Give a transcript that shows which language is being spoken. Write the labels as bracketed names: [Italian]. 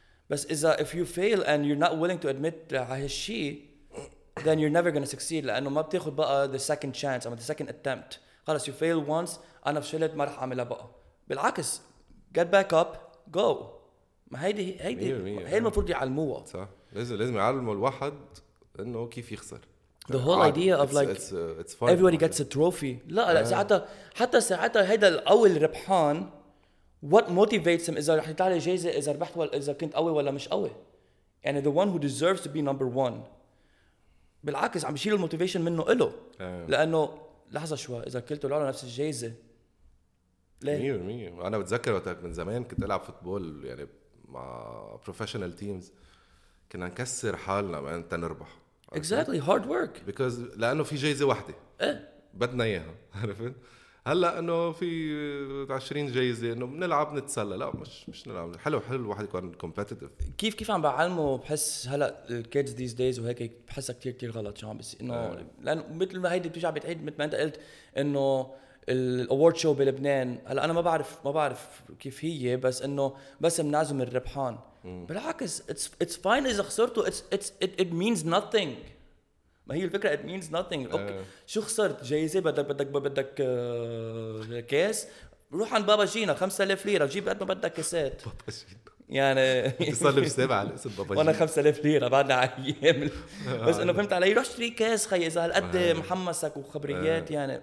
[Arabic] بس اذا [English] if you fail and you're not willing to admit [Arabic] هالشيء [English] then you're never gonna succeed، [Arabic] لانه ما بتاخذ بقى [English] the second chance or the second attempt. [Arabic] خلص [English] you fail once، [Arabic] انا فشلت ما رح اعملها بقى. بالعكس [English] get back up go. [Arabic] ما هيدي هي المفروض يعلموها. صح، لازم يعلموا الواحد انه كيف يخسر. [English] The whole idea of like it's everybody gets a trophy. [Arabic] لا لا حتى ساعتها هيدا الاول ربحان [English] what motivates him [Arabic] اذا رح يطلع لي جايزه اذا ربحت ولا اذا كنت قوي ولا مش قوي. يعني [English] the one who deserves to be number one [Arabic] بالعكس عم يشيل الموتيفيشن منه له. لانه لحظه شوي اذا كلته له نفس الجايزه ليه؟ 100%. انا بتذكر وقتك من زمان كنت العب فوتبول يعني مع [English] professional teams، [Arabic] كنا نكسر حالنا من تنربح. [English] Exactly hard work. Because [Arabic] لأنه في جائزة واحدة. بدنا إياها. عرفت؟ هلا إنه في 20 جائزة إنه بنلعب نتسلى. لا مش نلعب. حلو الواحد يكون competitive. كيف عم بعلمه؟ بحس هلا الكيدز ديز دايز وهيك بحسها كتير غلط شو عم بس إنه لأن مثل ما هيدي بتجع بتعيد مثل ما أنت قلت إنه الأورد شو بلبنان. هلا أنا ما بعرف كيف هي، بس إنه بس منعزم الربحان. بالعكس [English] it's fine [Arabic] إذا خسرتوا [English] it means nothing. [Arabic] ما هي الفكرة [English] it means nothing. [Arabic] أوكي. شو خسرت؟ جايزة بدك كاس روح عند بابا جينا 5000 ليرة جيب قد ما بدك كاسات. بابا جينا يعني تصلي بسبعة على اسم بابا جينا وانا 5000 ليرة بعدنا عايام بس انه فهمت علي روح شري كاس خي اذا هالقد محمسك وخبريات يعني.